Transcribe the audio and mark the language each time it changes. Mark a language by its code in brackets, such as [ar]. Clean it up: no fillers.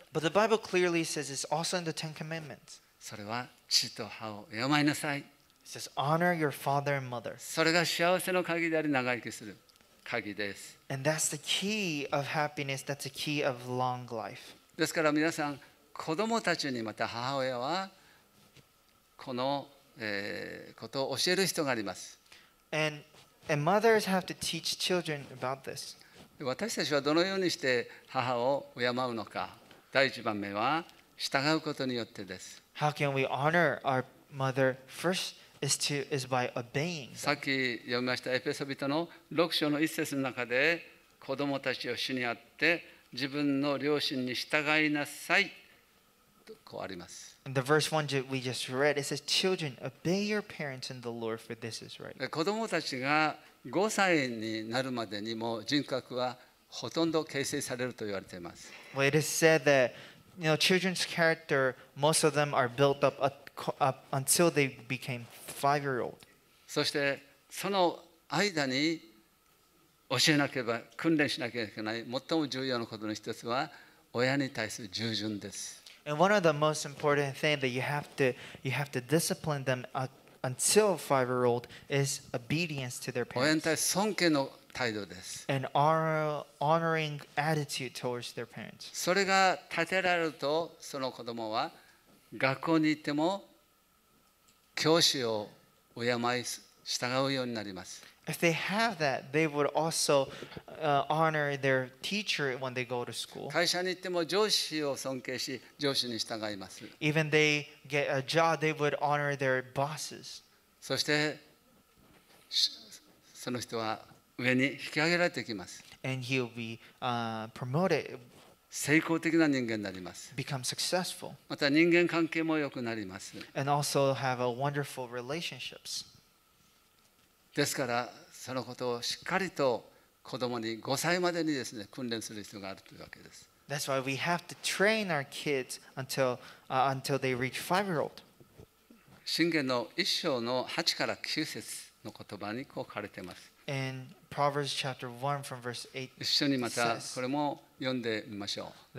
[en] But the Bible clearly says it's also in the Ten Commandments. [ja] それは父と母を敬いなさい。 [en] It says honor your father and mother. [ja] それが幸せの鍵であり、長生きする。鍵です。 [en] And that's the key of happiness. That's the key of long life. [ja] ですから皆さん、子供たちにまた母親はこの、ことを教える人があります。 [en] And mothers have to teach children about this. [ja] 私たちはどのようにして母を敬うのか。第一番目は従うことによってです。 [en] How can we honor our mother first? Is by obeying. [ja] さっき読みましたエペソ人の6章の1節の中で、子供たちを主にあって自分の両親に従いなさいとこうあります。 [en] In the verse 1 we just read, it says, Children, obey your parents in the Lord, for this is right. [ja] 子供たちが5歳になるまでにも人格はほとんど形成されると言われています。 [en] Well, it is said that, you know, children's character, most of them are built up until they became five-year-old. [ja] そしてその間に教えなければ、訓練しなければいけない最も重要なことの一つは、親に対する従順です。 [en] And one of the most important things that you have to discipline them until five-year-old is obedience to their parents. [ja] 親に対する尊敬の態度です。 [en] And honoring attitude towards their parents. [ja] それが立てられると、その子供は学校に行っても教師を敬い従うようになります。 [en] If they have that, they would also honor their teacher when they go to school. [ja] 会社に行っても上司を尊敬し上司に従います。 [en] Even they get a job, they would honor their bosses. [ja] そしてその人は上に引き上げられていきます。 [en] And he'll be promoted. [ja] 成功的な人間になります。 [en] Become successful. [ja] また人間関係も良くなります。 [en] And also have a wonderful relationships. [ja] ですから、そのことをしっかりと子供に5歳までにですね、訓練する必要があるというわけです。 [en] That's why we have to train our kids until they reach 5-year-old. [ja] 箴言の1章の8から9節の言葉にこう書かれています。 [en] And Proverbs chapter 1 from verse 8 says, [ja] 一緒にまたこれも読んでみましょう。